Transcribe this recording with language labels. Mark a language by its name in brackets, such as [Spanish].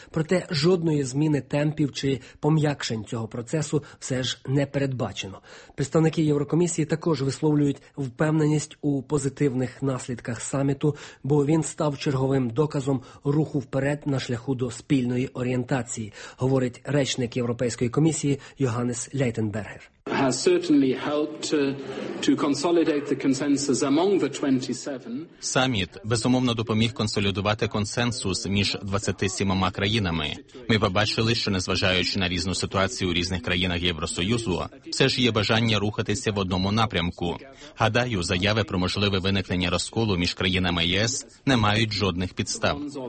[Ukrainian] Проте жодної зміни темпів чи пом'якшень цього процесу все ж не передбачено. Представники Єврокомісії також висловлюють впевненість у позитивних наслідках саміту, бо він став черговим доказом руху вперед на шляху до спільної орієнтації, говорить речник Європейської комісії Йоганнес Лейтенбергер. [English] Has certainly helped to consolidate the consensus among the 27. [Ukrainian] Саміт безумовно допоміг консолідувати консенсус між 27 країнами. Ми побачили, що незважаючи на різну ситуацію у різних країнах Євросоюзу, все ж є бажання рухатися в одному напрямку. Гадаю, заяви про можливе виникнення розколу між країнами ЄС не мають жодних підстав.